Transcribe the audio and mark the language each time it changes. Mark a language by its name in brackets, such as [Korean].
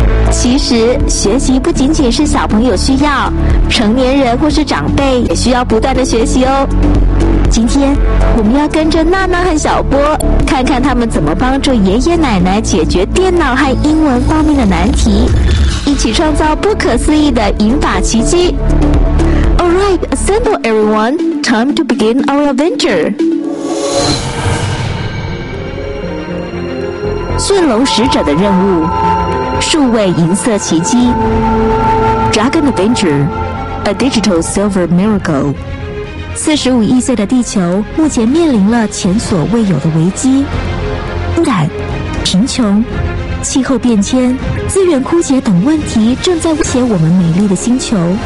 [Chinese] 其实学习不仅仅是小朋友需要，成年人或是长辈也需要不断的学习哦。今天我们要跟着娜娜和小波，看看他们怎么帮助爷爷奶奶解决电脑和英文方面的难题，一起创造不可思议的银发奇迹。 [English] Alright, assemble everyone, time to begin our adventure. [Chinese] 驯龙使者的任务，数位银色奇迹。 [English] Dragon Adventure, A Digital Silver Miracle。 [Chinese] 45亿岁的地球目前面临了前所未有的危机，污染、贫穷、气候变迁、资源枯竭等问题正在威胁我们美丽的星球。